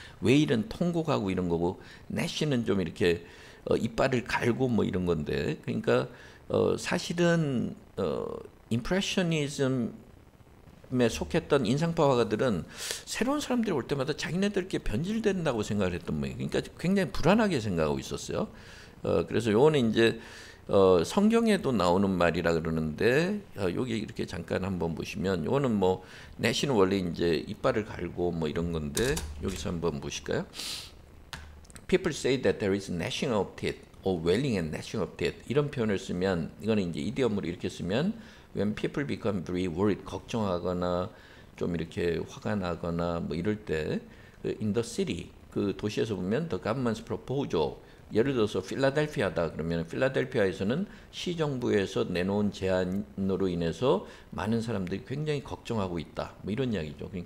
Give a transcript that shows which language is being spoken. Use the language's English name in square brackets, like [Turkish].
[Korean] 웨일은 통곡하고 이런 거고 gnash는 좀 이렇게 이빨을 갈고 뭐 이런 건데 그러니까 사실은 임프레셔니즘에 속했던 인상파화가들은 새로운 사람들이 올 때마다 자기네들 이렇게 변질된다고 생각을 했던 거예요. 그러니까 굉장히 불안하게 생각하고 있었어요. 그래서 요거는 이제 성경에도 나오는 말이라 그러는데 여기 이렇게 잠깐 한번 보시면 요거는 뭐 내신은 원래 이제 이빨을 갈고 뭐 이런 건데 여기서 한번 보실까요? [English] People say that there is gnashing of teeth. or wailing and gnashing of teeth [Korean] 이런 표현을 쓰면 이거는 이제 이디엄으로 이렇게 쓰면 [English] when people become very worried [Korean] 걱정하거나 좀 이렇게 화가 나거나 뭐 이럴 때 [English] in the city [Korean] 그 도시에서 보면 [English] the government's proposal [Korean] 예를 들어서 필라델피아다 그러면 필라델피아에서는 시정부에서 내놓은 제안으로 인해서 많은 사람들이 굉장히 걱정하고 있다 뭐 이런 이야기죠.